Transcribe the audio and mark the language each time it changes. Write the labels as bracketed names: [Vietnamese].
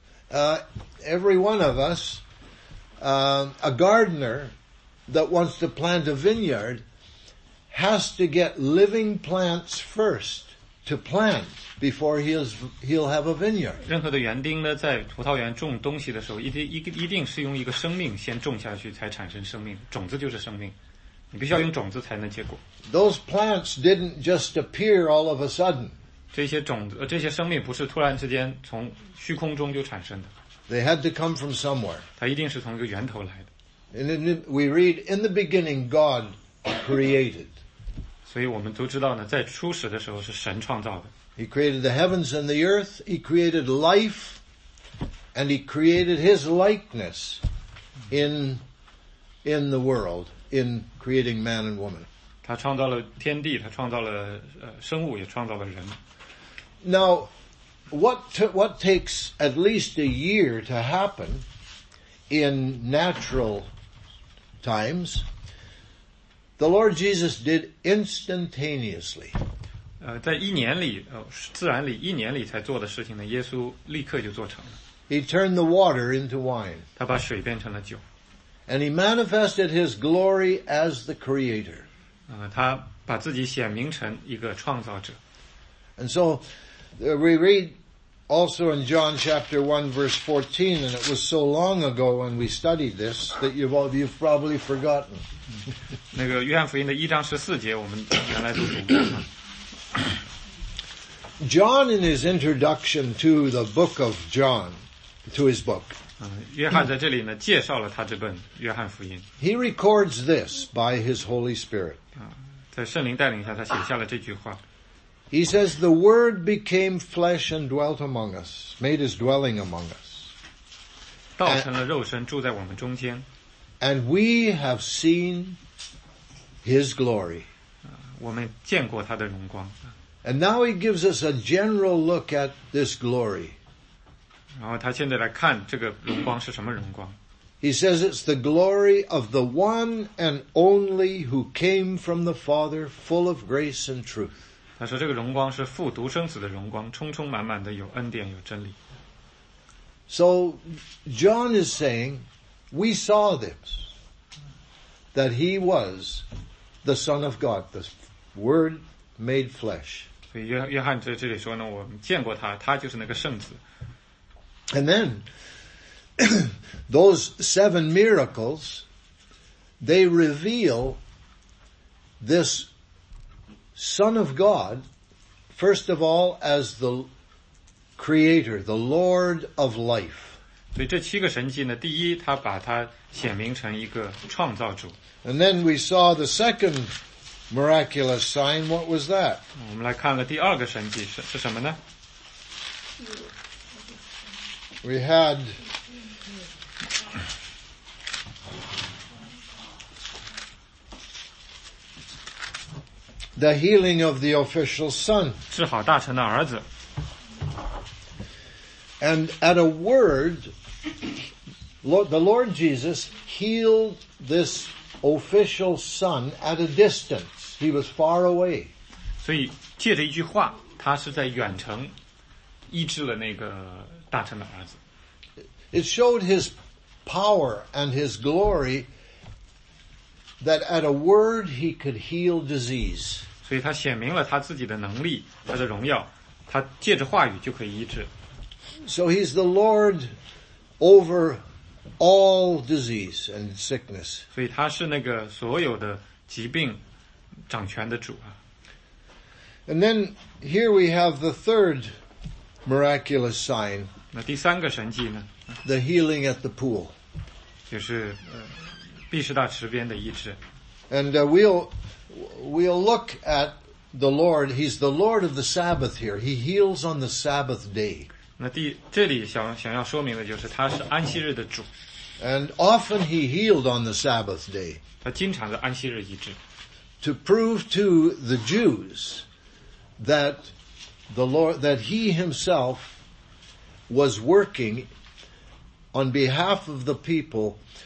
[English] ？Every one of us, a gardener that wants to plant a vineyard, has to get living plants first to plant before he'll have a vineyard. [Chinese] 任何的园丁呢，在葡萄园种东西的时候，一定是用一个生命先种下去，才产生生命。种子就是生命，你必须要用种子才能结果。 [English] Those plants didn't just appear all of a sudden. [Chinese] 这些生命不是突然之间从虚空中就产生的。 [English] They had to come from somewhere. [Chinese] 它一定是从一个源头来的。 [English] And then we read, in the beginning, God created. [Chinese] 所以我们都知道呢，在初始的时候是神创造的。 [English] He created the heavens and the earth. He created life, and he created his likeness in the world in creating man and woman. [Chinese] 他创造了天地，他创造了生物，也创造了人。 [English] Now, what takes at least a year to happen in natural times, the Lord Jesus did instantaneously. [Chinese] 在一年里，自然里一年里才做的事情呢，耶稣立刻就做成了。 [English] He turned the water into wine. [Chinese] 他把水变成了酒。 [English] And he manifested his glory as the creator. [Chinese] 他把自己显明成一个创造者。 [English] And so, we read also in John chapter 1 verse 14, and it was so long ago when we studied this that you've probably forgotten. [Chinese] 那个约翰福音的一章十四节，我们原来都读过。 [English] John, in his introduction to the book of John, to his book, [Chinese] 约翰在这里呢介绍了他这本约翰福音。 [English] He records this by his Holy Spirit. [Chinese] 在圣灵带领下，他写下了这句话。 [English] He says, "The Word became flesh and dwelt among us, made his dwelling among us." [Chinese] 道成了肉身，住在我们中间。 [English] And we have seen his glory. [Chinese] 我们见过他的荣光。 [English] And now he gives us a general look at this glory. [Chinese] 然后他现在来看这个荣光是什么荣光。 [English] He says it's the glory of the one and only who came from the Father, full of grace and truth. [Chinese] 他说这个荣光是父独生子的荣光，充充满满的有恩典有真理。 [English] So John is saying, we saw this, that he was the Son of God, the Word made flesh. [Chinese] 所以约翰在这里说呢，我们见过他，他就是那个圣子。 [English] And then, those seven miracles, they reveal this Son of God, first of all, as the Creator, the Lord of life. [Chinese] 所以这七个神迹呢，第一，他把他显明成一个创造主。 [English] And then we saw the second miraculous sign, what was that? [Chinese] 我们来看了第二个神迹 是什么呢？ [English] We had the healing of the official's son. [Chinese] 治好大臣的儿子。 [English] And at a word, the Lord Jesus healed this official son at a distance. He was far away. [Chinese] 所以借着一句话，他是在远程医治了那个大臣的儿子。 [English] It showed his power and his glory that at a word he could heal disease. [Chinese] 所以他显明了他自己的能力，他的荣耀，他借着话语就可以医治。 [English] So he's the Lord over all disease and sickness. [Chinese] 所以他是那个所有的疾病掌权的主啊。 [English] And then here we have the third miraculous sign. [Chinese] 那第三个神迹呢？ [English] The healing at the pool. [Chinese] 就是毕士大池边的医治。 [English] And we'll look at the Lord. He's the Lord of the Sabbath here. He heals on the Sabbath day. [Chinese] 那第这里想要说明的就是他是安息日的主。 [English] And often he healed on the Sabbath day. [Chinese] 他经常在安息日医治。 [English] To prove to the Jews that the Lord, that he himself was working on behalf of the people.